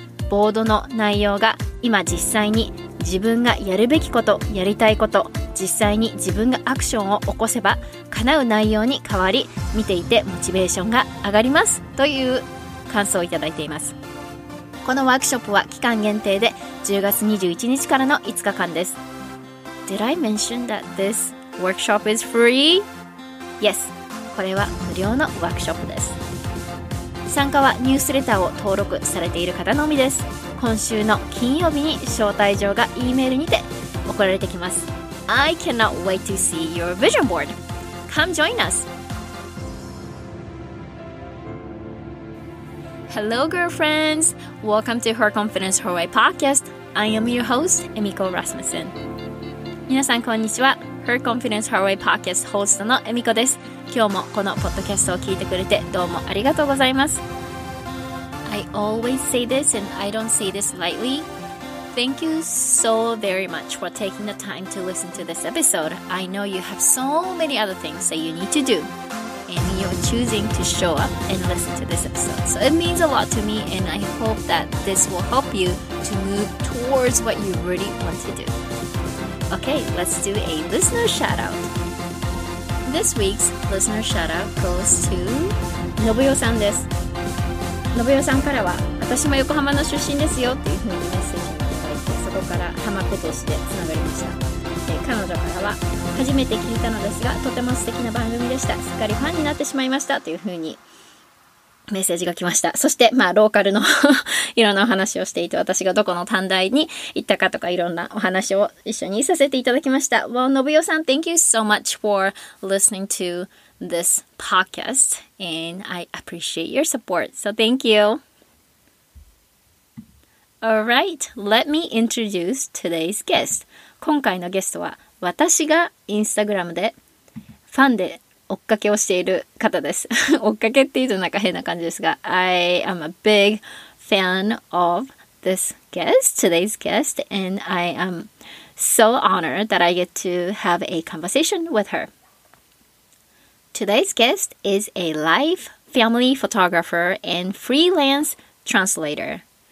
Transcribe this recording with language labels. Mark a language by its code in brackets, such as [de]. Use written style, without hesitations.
[ja] ボードの内容が今実際に自分がやるべきこと、やりたいこと、実際に自分がアクションを起こせば叶う内容に変わり、見ていてモチベーションが上がりますという感想をいただいています。このワークショップは期間限定で10月21日からの5日間です。 [en] Did I mention that this workshop is free? Yes, [ja] これは無料のワークショップです。参加はニュースレターを登録されている方のみです。今週の金曜日に招待状が E メールにて送られてきます。 [en] I cannot wait to see your vision board. Come join us. Hello, girlfriends. Welcome to Her Confidence Her Way podcast. I am your host, Emiko Rasmussen. [ja] 皆さん、こんにちは。 Her Confidence Her Way podcast ホストの Emiko です。今日もこのポッドキャストを聞いてくれてどうもありがとうございます。 [en] I always say this and I don't say this lightly. Thank you so very much for taking the time to listen to this episode. I know you have so many other things that you need to do, and you're choosing to show up and listen to this episode. So it means a lot to me, and I hope that this will help you to move towards what you really want to do. Okay, let's do a listener shout out. This week's listener shout out goes to [ja] Nobuyo-san です。Nobuyo-san からは、私も横浜の出身ですよっていうふうにメッセージ。ここからハマコとしてつながりました。彼女からは、初めて聞いたのですが、とても素敵な番組でした。すっかりファンになってしまいましたというふうにメッセージが来ました。そして、まあ、ローカルのいろんなお話をしていて、私がどこの短大に行ったかとか、いろんなお話を一緒にさせていただきました。 [en] Well, Nobuyo-san, thank you so much for listening to this podcast, and I appreciate your support. So, thank you. All right, let me introduce today's guest. [ja] 今回のゲストは、私がインスタグラムでファンで追っかけをしている方です。追っかけっていうとなんか変な感じですが、 [en] I am a big fan of this guest, today's guest, and I am so honored that I get to have a conversation with her. Today's guest is a life family photographer and freelance translator.